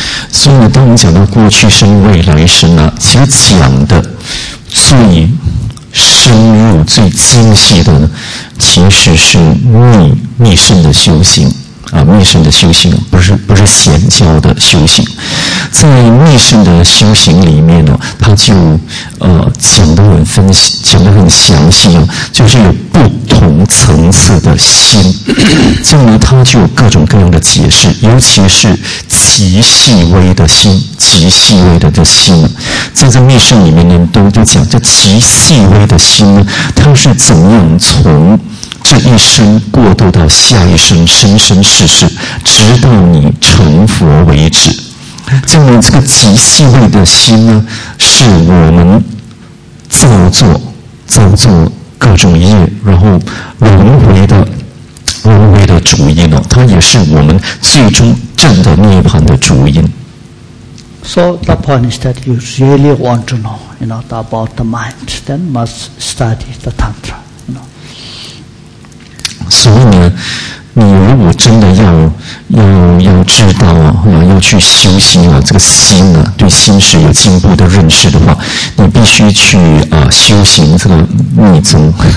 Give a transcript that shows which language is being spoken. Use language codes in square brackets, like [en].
[en] So, when we talk about the past life, future life, actually, we talk about the most deeply, the most precise, actually, is the [zh] 密圣的修行，不是显教的修行。在密圣的修行里面呢，他就讲得很详细啊，就是有不同层次的心，这样呢，他就有各种各样的解释，尤其是极细微的心，极细微的心，在密圣里面呢，都讲这极细微的心呢，它是怎样从。这一生过渡到下一生，生生世世，直到你成佛为止。这样这个极细微的心呢，是我们造作各种业，然后轮回的主因呢，它也是我们最终证得涅槃的主因。 [en] So the point is that you really want to know, you know, about the mind, then must study the tantra. You know. [zh] 所以呢，你如果真的要知道啊，要去修心啊，这个心啊，对心识有进步的认识的话，你必须去啊修行这个密宗。